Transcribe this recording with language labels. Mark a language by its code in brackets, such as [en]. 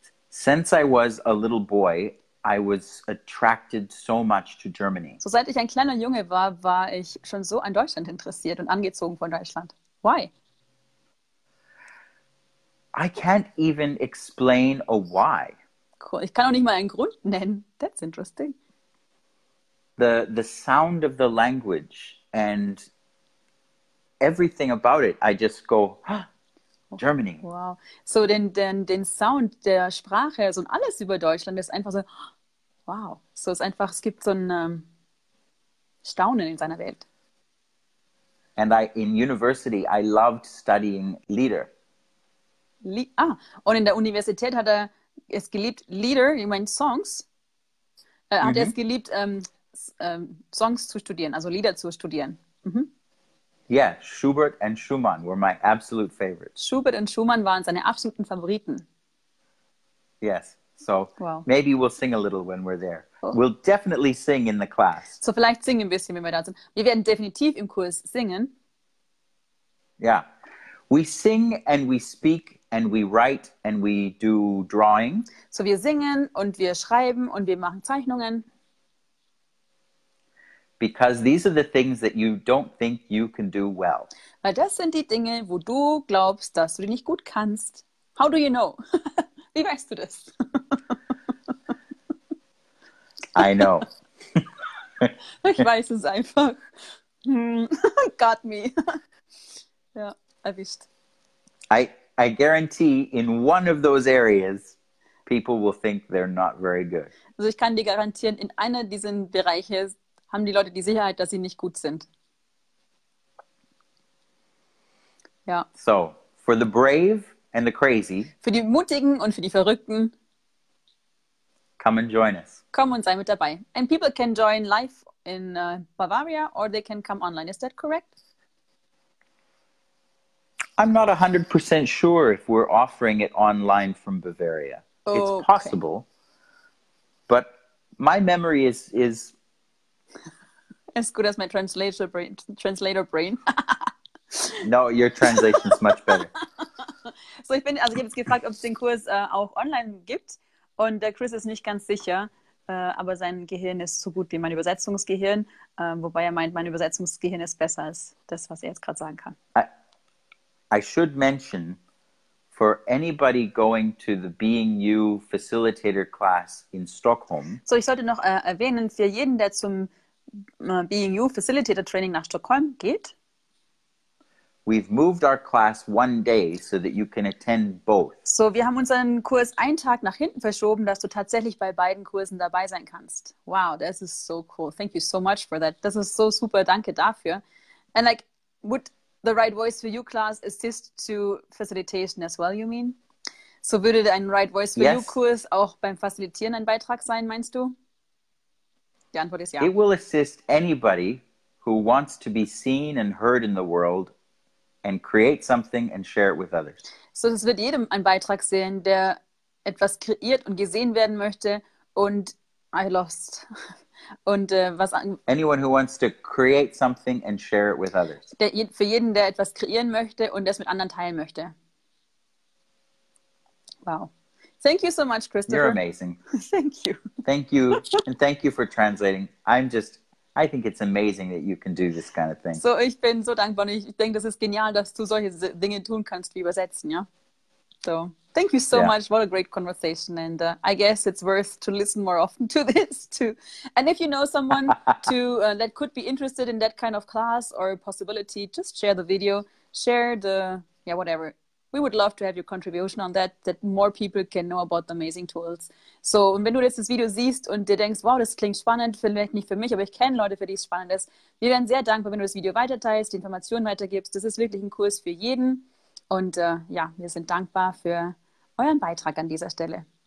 [en] Since I was a little boy, I was attracted so much to Germany. [de] So, seit ich ein kleiner Junge war, war ich schon so an Deutschland interessiert und angezogen von Deutschland. [en] Why? I can't even explain a why. Cool. [de] Ich kann auch nicht mal einen Grund nennen. [en] That's interesting. The sound of the language and everything about it, I just go, Germany. Wow. [de] So den Sound der Sprache, so alles über Deutschland ist einfach so, wow. So ist einfach, es gibt so ein Staunen in seiner Welt. [en] And in university, I loved studying Lieder. [de] Und in der Universität hat er es geliebt, Lieder, ich meine Songs, hat er es geliebt, Songs zu studieren, also Lieder zu studieren. Mhm. [en] Yeah, Schubert and Schumann were my absolute favorites. [de] Schubert und Schumann waren seine absoluten Favoriten. [en] Yes, so wow. Maybe we'll sing a little when we're there. Oh. We'll definitely sing in the class. [de] So vielleicht singen wir ein bisschen, wenn wir da sind. Wir werden definitiv im Kurs singen. [en] Yeah, we sing and we speak and we write and we do drawing. [de] So wir singen und wir schreiben und wir machen Zeichnungen. [en] Because these are the things that you don't think you can do well. [de] Weil das sind die Dinge, wo du glaubst, dass du die nicht gut kannst. [en] How do you know? [de] Wie weißt du das? [en] I know. [de] Ich weiß es einfach. [en] Got me. [de] Ja, erwischt. [en] I guarantee in one of those areas people will think they're not very good. [de] Also ich kann dir garantieren, in einer dieser Bereiche haben die Leute die Sicherheit, dass sie nicht gut sind. Ja. [en] So, for the brave and the crazy. [de] Für die Mutigen und für die Verrückten. [en] Come and join us. [de] Komm und sei mit dabei. [en] And people can join live in Bavaria or they can come online. Is that correct? I'm not 100% sure if we're offering it online from Bavaria. Okay. It's possible. But my memory is as good as my translator brain. No, your translation is much better. [de] So ich bin, also ich habe jetzt gefragt, ob es den Kurs auch online gibt. Und der Chris ist nicht ganz sicher, aber sein Gehirn ist so gut wie mein Übersetzungsgehirn. Wobei er meint, mein Übersetzungsgehirn ist besser als das, was er jetzt gerade sagen kann. [en] I should mention, for anybody going to the Being You Facilitator class in Stockholm. [de] So ich sollte noch erwähnen, für jeden, der zum Being You Facilitator Training nach Stockholm geht. [en] We've moved our class one day so that you can attend both. [de] So wir haben unseren Kurs einen Tag nach hinten verschoben, dass du tatsächlich bei beiden Kursen dabei sein kannst. [en] Wow, this is so cool. Thank you so much for that. [de] Das ist so super. Danke dafür. [en] And like, would the Right Voice for You class assist to facilitation as well, you mean? [de] So würde ein Right Voice for You Kurs auch beim Facilitieren ein Beitrag sein, meinst du? Die Antwort ist ja. [en] It will assist anybody who wants to be seen and heard in the world and create something and share it with others. [de] So es wird jedem ein Beitrag sein, der etwas kreiert und gesehen werden möchte und [en] I lost. [de] Und was [en] anyone who wants to create something and share it with others. [de] Für jeden, der etwas kreieren möchte und das mit anderen teilen möchte. [en] Wow. Thank you so much, Christopher. You're amazing. Thank you. Thank you. And thank you for translating. I think it's amazing that you can do this kind of thing. [de] So, ich bin so dankbar. Ich denke, das ist genial, dass du solche Dinge tun kannst, wie übersetzen, ja? [en] So, thank you so much. What a great conversation. And I guess it's worth to listen more often to this, too. And if you know someone that could be interested in that kind of class or possibility, just share the video. Share the, whatever. We would love to have your contribution on that, that more people can know about the amazing tools. [de] So, und wenn du jetzt das Video siehst und dir denkst, wow, das klingt spannend, vielleicht nicht für mich, aber ich kenne Leute, für die es spannend ist, wir wären sehr dankbar, wenn du das Video weiterteilst, die Informationen weitergibst. Das ist wirklich ein Kurs für jeden. Und wir sind dankbar für euren Beitrag an dieser Stelle.